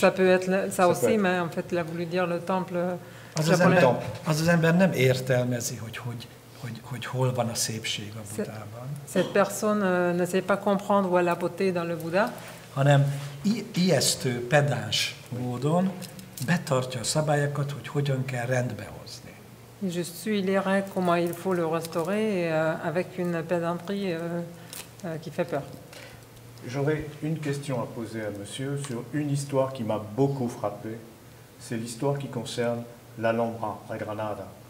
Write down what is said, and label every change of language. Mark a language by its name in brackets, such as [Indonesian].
[French] Ça peut être ça aussi, mais en fait, il a voulu dire le temple... [Hungarian] Az ember nem értelmezi, hogy hol van a szépség a Buddhában. [French] Cette personne ne sait pas comprendre où est la beauté dans le Buddha. [Hungarian] Hanem ijesztő, pedáns módon betartja a szabályokat, hogy hogyan kell rendbe hozni. [French] Il juste suit les règles comment il faut le restaurer avec une pédanterie qui fait peur. J'aurais une question à poser à monsieur sur une histoire qui m'a beaucoup frappé. C'est l'histoire qui concerne l'Alhambra, la Granada.